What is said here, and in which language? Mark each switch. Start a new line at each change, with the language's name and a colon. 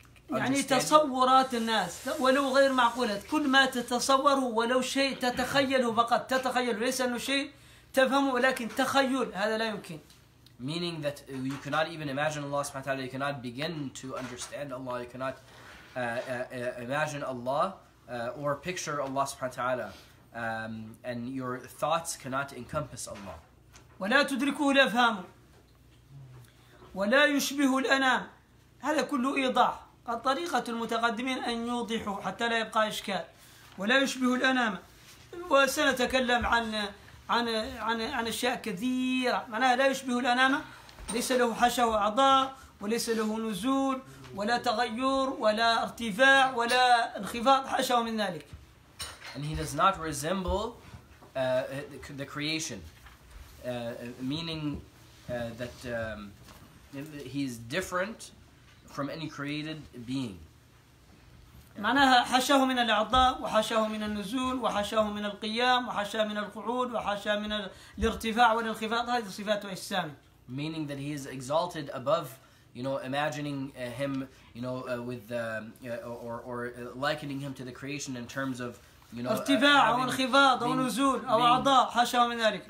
Arabic: يعني تصورات الناس ولو غير معقولة كل ما تتصوره ولو شيء تتخيله فقط تتخيله ليس أنه شيء تفهمه ولكن تخيل هذا لا يمكن.
English: Meaning that you cannot even imagine Allah سبحانه وتعالى, you cannot begin to understand Allah, you cannot imagine Allah or picture Allah سبحانه وتعالى, and your thoughts cannot encompass Allah.
Arabic: ولا تدركه الأفهام ولا يشبه الأنام. هذا كله إيضاح. الطريقة المتقدمين أن يوضحوا حتى لا يبقى إشكال. ولا يشبه الأنام. وسنتكلم عن عن عن عن أشياء كثيرة. معناها لا يشبه الأنام. ليس له حشا وأعضاء وليس له نزول ولا تغير ولا ارتفاع ولا انخفاض حشا من ذلك.
English: And he does not resemble the creation, meaning that he is different from any created being.
Arabic: معناها حشاه من الأعضاء وحشاه من النزول وحشاه من القيام وحشاه من القعود وحشاه من الارتفاع والانخفاض. هذه صفات أجسام.
English: Meaning that he is exalted above, you know, imagining him, you know, with the or likening him to the creation in terms of, you know,
Arabic: ارتفاع أو انخفاض أو نزول أو أعضاء حشاه من ذلك.